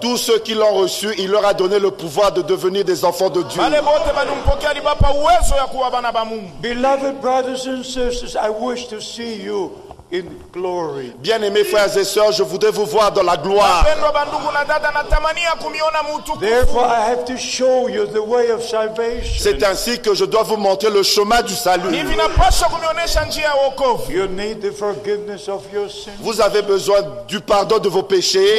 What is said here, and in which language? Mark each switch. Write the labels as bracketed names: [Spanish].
[French] Tous ceux qui l'ont reçu, il leur a donné le pouvoir de devenir des enfants de Dieu. [English] Beloved brothers and sisters, I wish to see you in glory. [French] Bien-aimés frères et sœurs, je voudrais vous voir dans la gloire. [English] Therefore, I have to show you the way of salvation. [French] C'est ainsi que je dois vous montrer le chemin du salut. [English] You need the forgiveness of your sins. [French] Vous avez besoin du pardon de vos péchés.